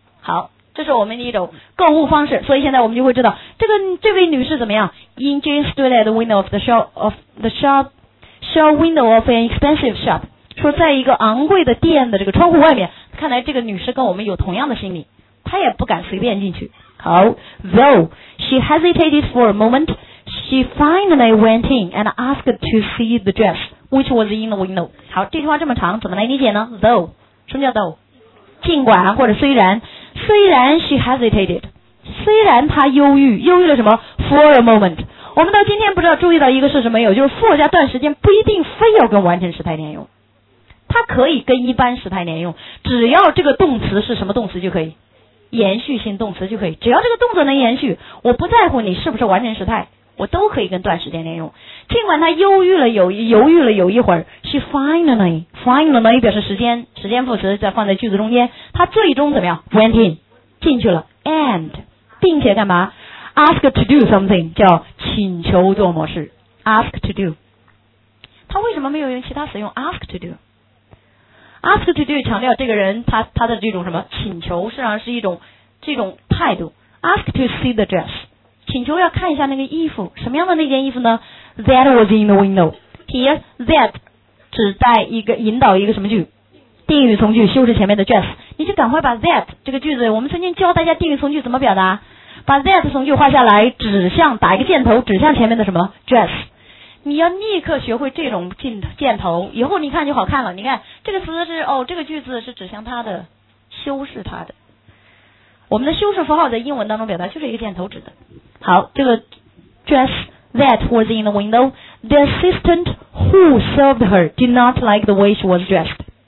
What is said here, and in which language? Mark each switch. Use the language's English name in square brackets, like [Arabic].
[Chinese] 好，这是我们的一种购物方式，所以现在我们就会知道这位女士怎么样。 [English] In jeans stood at the window of the shop window of an expensive shop， [Chinese] 说在一个昂贵的店的这个窗户外面，看来这个女士跟我们有同样的心理，她也不敢随便进去。 [English] 好 ，Though she hesitated for a moment， she finally went in and asked to see the dress which was in the window。 [Chinese] 好，这句话这么长，怎么来理解呢 ？Though， 什么叫 though？尽管或者虽然。虽然 [English] she hesitated， [Chinese] 虽然她犹豫了什么 [English] for a moment。 [Chinese] 我们到今天不知道注意到一个事实没有，就是 for 加段时间不一定非要跟完成时态连用，它可以跟一般时态连用，只要这个动词是什么动词就可以，延续性动词就可以，只要这个动作能延续，我不在乎你是不是完成时态，我都可以跟段时间连用。尽管她犹豫了有一会儿， [English] she finally [Chinese] 表示时间副词，再放在句子中间，她最终怎么样？ went in， 进去了。and 并且干嘛？ [English] ask to do something， [Chinese] 叫请求做模式， ask to do。她为什么没有用其他词用 ask to do？ ask to do 强调这个人她的这种什么请求，实际上是这种态度。 [English] ask to see the dress， [Chinese] 请求要看一下那个衣服，什么样的那件衣服呢？ [English] That was in the window. [Chinese] Here, that 指代一个引导一个什么句？定语从句，修饰前面的 dress。你就赶快把 that 这个句子，我们曾经教大家定语从句怎么表达，把 that 从句画下来，指向打一个箭头指向前面的什么 dress。你要立刻学会这种箭头，以后你看就好看了。你看这个词是这个句子是指向它的，修饰它的。我们的修饰符号在英文当中表达就是一个箭头指的。好，这个 [English] dress that was in the window， the assistant who served her did not like the way she was dressed。